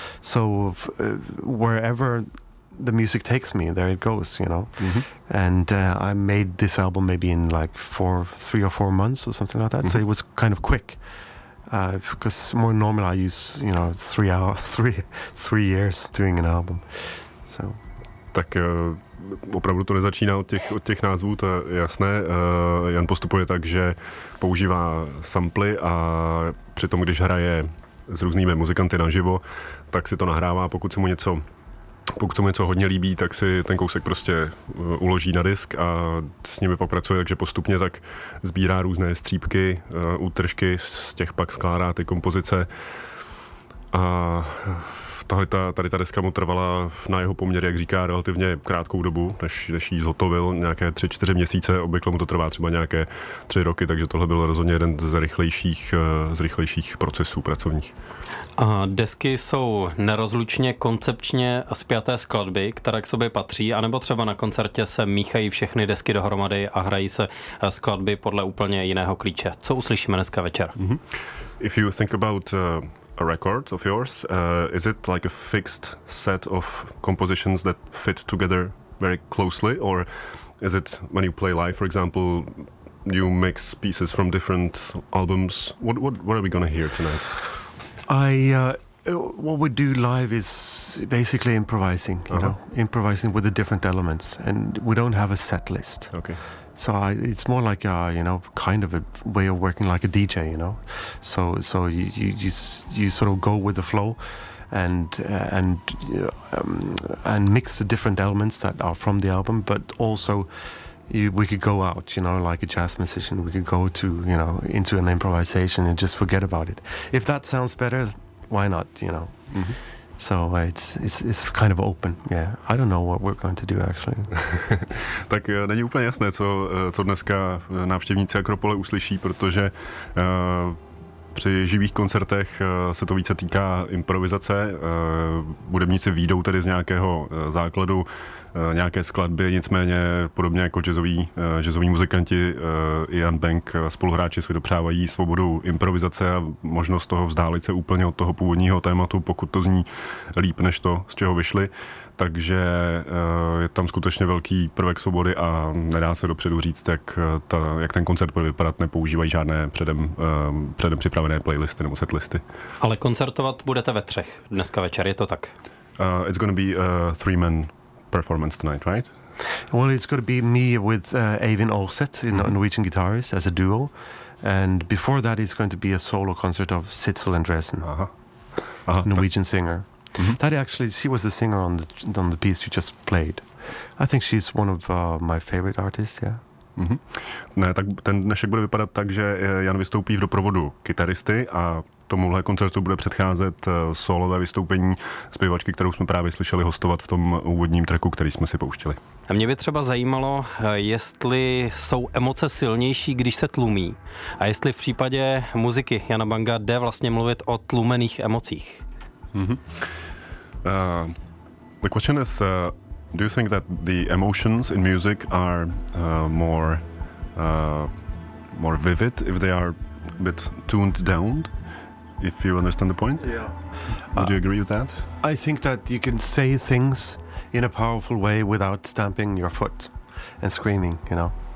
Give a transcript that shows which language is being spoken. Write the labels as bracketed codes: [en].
[en] So wherever the music takes me, there it goes, you know. Mm-hmm. And I made this album maybe in like three or four months or something like that. Mm-hmm. So it was kind of quick, because more normally I use, you know, three years doing an album. So. [cs] Tak opravdu to nezačíná od těch názvů, to je jasné. Jan postupuje tak, že používá samply a přitom, když hraje s různými muzikanty naživo, tak si to nahrává. Pokud se mu něco hodně líbí, tak si ten kousek prostě uloží na disk a s nimi popracuje, takže postupně tak sbírá různé střípky, útržky, z těch pak skládá ty kompozice. A tady ta deska mu trvala na jeho poměr, jak říká, relativně krátkou dobu, než jí zhotovil, nějaké 3-4 měsíce, obvykle mu to trvá třeba nějaké 3 roky, takže tohle byl rozhodně jeden z rychlejších procesů pracovních. A desky jsou nerozlučně koncepčně spjaté skladby, které k sobě patří, anebo třeba na koncertě se míchají všechny desky dohromady a hrají se skladby podle úplně jiného klíče. Co uslyšíme dneska večer? Mm-hmm. [en] If you think about a record of yours, is it like a fixed set of compositions that fit together very closely, or is it when you play live, for example, you mix pieces from different albums? What are we going to hear tonight? What we do live is basically improvising, you know, improvising with the different elements, and we don't have a set list. Okay. So it's more like kind of a way of working like a DJ, you know. So you sort of go with the flow, and mix the different elements that are from the album. But also, we could go out, you know, like a jazz musician. We could go to into an improvisation and just forget about it. If that sounds better, why not? You know. Mm-hmm. So it's kind of open. Yeah. I don't know what we're going to do actually. [cs] Tak není úplně jasné, co dneska návštěvníci Akropole uslyší, protože při živých koncertech se to více týká improvizace. Hudebníci vyjdou tedy z nějakého základu nějaké skladby, nicméně podobně jako jazzoví muzikanti, Ian Bank, spoluhráči si dopřávají svobodu improvizace a možnost toho vzdálit se úplně od toho původního tématu, pokud to zní líp než to, z čeho vyšli. Takže je tam skutečně velký prvek svobody a nedá se dopředu říct, jak ten koncert bude vypadat, nepoužívají žádné předem připravené playlisty nebo setlisty. Ale koncertovat budete ve třech dneska večer, je to tak? [en] It's gonna be a three-man performance tonight, right? Well, it's gonna be me with Eivind Aarseth, Norwegian guitarist, as a duo. And before that it's going to be a solo concert of Sitzel Andresen, Norwegian singer. Mm-hmm. That actually, she was the singer on the piece you just played. I think she's one of my favorite artists, yeah. Mm-hmm. [cs] Ne, tak ten dnešek bude vypadat tak, že Jan vystoupí v doprovodu kytaristy a tomuhle koncertu bude předcházet solové vystoupení zpěvačky, kterou jsme právě slyšeli hostovat v tom úvodním tracku, který jsme si pouštili. A mě by třeba zajímalo, jestli jsou emoce silnější, když se tlumí. A jestli v případě muziky Jana Banga jde vlastně mluvit o tlumených emocích. Mm-hmm. [en] The question is, do you think that the emotions in music are more vivid if they are a bit tuned down, if you understand the point? Yeah. Would you agree with that? I think that you can say things in a powerful way without stamping your foot and screaming, you know.